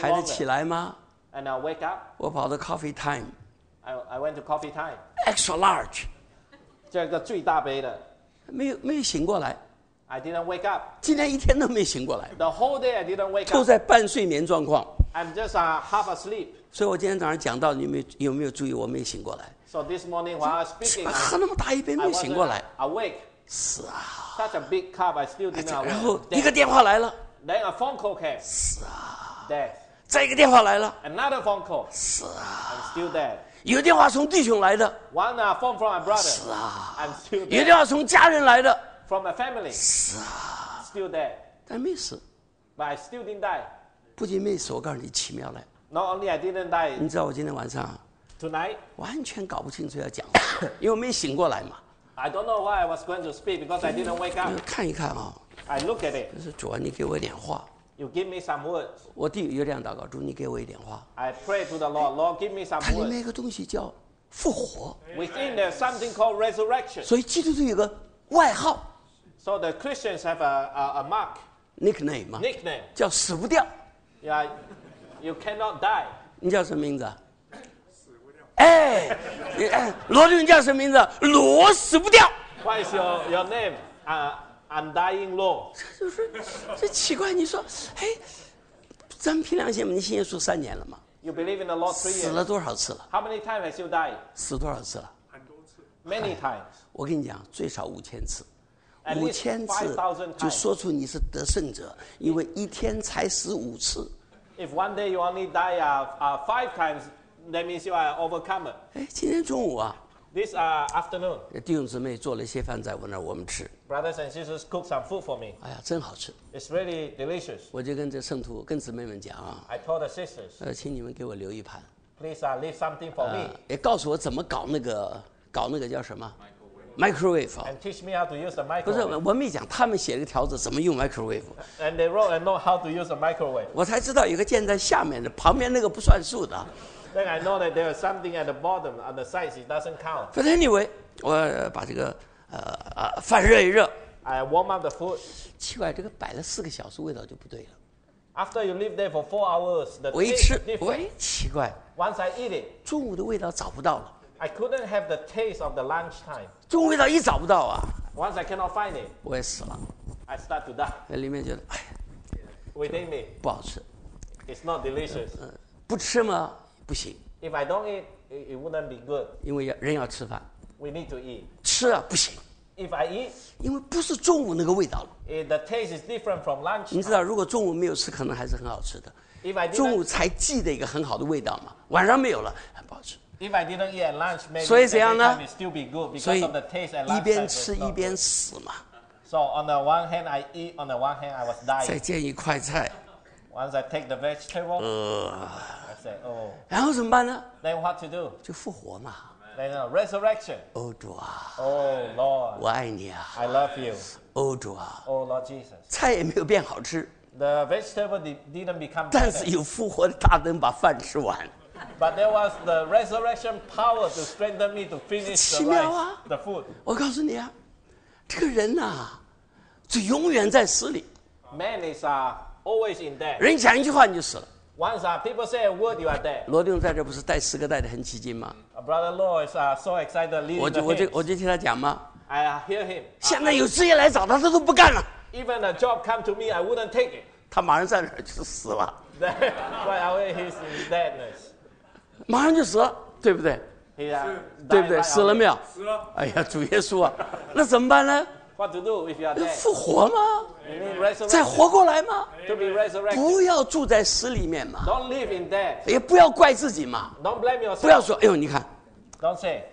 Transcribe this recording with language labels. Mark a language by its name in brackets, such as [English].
[Chinese] 还能起来吗 [English] ？And I wake up. [Chinese] 我跑到 coffee time. [English] I went to coffee time. Extra large. [Chinese] 这个最大杯的。没有醒过来。 [English] I didn't wake up. [Chinese] 今天一天都没醒过来。 [English] The whole day I didn't wake up. [Chinese] 都在半睡眠状况。 [English] I'm just half asleep. [Chinese] 所以我今天早上讲到，你有没有注意？我没醒过来。 [English] So this morning while I was speaking, [Chinese] 喝那么大一杯没醒过来。 [English] Awake. [Chinese] 死啊 [English] ！Such a big cup, I still didn't know. [Chinese] 然后一个电话来了 [English] ，Then a phone call came. [Chinese] 死啊 [English] ！Death. [Chinese] 再一个电话来了 [English] ，Another phone call. [Chinese] 死啊 [English] ！I'm still dead. [Chinese] 有电话从弟兄来的 [English] ，One phone from my brother. [Chinese] 死啊 [English] ！I'm still dead. [Chinese] 有电话从家人来的 [English] ，From my family. [Chinese] 死啊 [English] ！Still dead. [Chinese] 但没死 [English] But I still didn't die. [Chinese] 不仅没死，我告诉你奇妙了。 [English] Not only I didn't die. [Chinese] 你知道我今天晚上 [English] tonight [Chinese] 完全搞不清楚要讲什么，因为没醒过来嘛。 [English] I don't know why I was going to speak because I didn't wake up. [Chinese] 看一看啊。 [English] I look at it. [Chinese] 就是主啊，你给我一点话。 [English] You give me some words. [Chinese] 我第有两祷告，主你给我一点话。 [English] I pray to the Lord. Lord, give me some words. [Chinese] 它里面一个东西叫复活。 [English] Within there's something called resurrection. [Chinese] 所以基督徒有个外号。 [English] So the Christians have a mark. Nickname 嘛。 Nickname. [Chinese] 叫死不掉。 [English] Yeah. You cannot die. [Chinese] 你叫什么名字？哎，罗律，你叫什么名字？罗死不掉。 [English] What is your name? Undying Law. [Chinese] 这奇怪，你说，哎，咱们凭良心，你信耶稣三年了吗 [English] ？You believe in the Lord three years. [Chinese] 死了多少次了 [English] ？How many times have you died? [Chinese] 死多少次了？很多次。 [English] Many times. [Chinese] 我跟你讲，最少五千次。五千次就说出你是得胜者，因为一天才死五次。 [English] If one day you only die five times, that means you are an overcomer. [Chinese] 哎，今天中午啊。 [English] This afternoon. [Chinese] 弟兄姊妹做了一些饭在我那儿，我们吃。 [English] Brothers and sisters cook some food for me. [Chinese] 哎呀，真好吃。 [English] It's really delicious. [Chinese] 我就跟这圣徒、跟姊妹们讲啊。 [English] I told the sisters. [Chinese] 请你们给我留一盘。 [English] Please leave something for me. [Chinese] 也告诉我怎么搞那个叫什么？ [English] Microwave. And teach me how to use the microwave. [Chinese] 不是，我没讲，他们写了个条子，怎么用 microwave. [English] And they wrote a note how to use a microwave. [Chinese] 我才知道有个键在下面的，旁边那个不算数的。 [English] Then I know that there is something at the bottom on the sides it doesn't count. But anyway, [Chinese] 我把这个饭热一热。 [English] I warm up the food. [Chinese] 奇怪，这个摆了四个小时，味道就不对了。 [English] After you leave there for 4 hours, the [Chinese] 我一吃，喂，奇怪。 [English] Once I eat it, [Chinese] 中午的味道找不到了。 [English] I couldn't have the taste of the lunch time. [Chinese] 中午味道一找不到啊。 [English] Once I cannot find it. [Chinese] 我也死了。 [English] I start to die. [Chinese] 里面就哎。 [English] Within me. [Chinese] 不好吃。 [English] It's not delicious. [Chinese] 不吃吗？不行。 [English] If I don't eat, it wouldn't be good. [Chinese] 因为人要吃饭。 [English] We need to eat. [Chinese] 吃啊，不行。 [English] If I eat. [Chinese] 因为不是中午那个味道了。 [English] The taste is different from lunch. [Chinese] 你知道，如果中午没有吃，可能还是很好吃的。 [English] If I didn't. [Chinese] 中午才记得一个很好的味道嘛，晚上没有了，很不好吃。 [English] If I didn't eat at lunch, maybe every time it still be good because of the taste at lunch time. [Chinese] 所以怎样呢？所以一边吃一边死嘛。 [English] So on the one hand I eat, on the one hand I was dying. [Chinese] 再煎一块菜。 [English] Once I take the vegetable, I say, oh. [Chinese] 然后怎么办呢？ [English] Then what to do? [Chinese] 就复活嘛。 [English] Then resurrection. [Chinese] Oh, 主啊。 [English] Oh, Lord. [Chinese] 我爱你啊。 [English] I love you. [Chinese] Oh, 主啊。 [English] Oh, Lord Jesus. [Chinese] 菜也没有变好吃。 [English] The vegetable didn't become better. [Chinese] 但是有复活的大灯把饭吃完。 [English] But there was the resurrection power to strengthen me to finish the rice, the food. [Chinese] 我告诉你啊，这个人呐，就永远在死里。 [English] Man is always in death. [Chinese] 人讲一句话你就死了。 [English] Once people say a word, you are dead. [Chinese] 罗定在这不是带诗歌带的很起劲吗 [English] ？Brother Law is so excited leading the hymns. [Chinese] 我就听他讲吗 [English] ？I hear him. [Chinese] 现在有职业来找他，他都不干了。 [English] Even a job come to me, I wouldn't take it. [Chinese] 他马上在那儿就死了。 [English] Right away, he's in deadness. [Chinese] 马上就死了，对不对？对不对？死了没有？死了。哎呀，主耶稣啊，那怎么办呢 [English] ？What to do if you are dead？ [Chinese] 复活吗？再活过来吗 [English] ？To be resurrected。 [Chinese] 不要住在死里面嘛。 [English] Don't live in death。 [Chinese] 也不要怪自己嘛。 [English] Don't blame yourself。 [Chinese] 不要说，哎呦，你看。 [English] Don't say。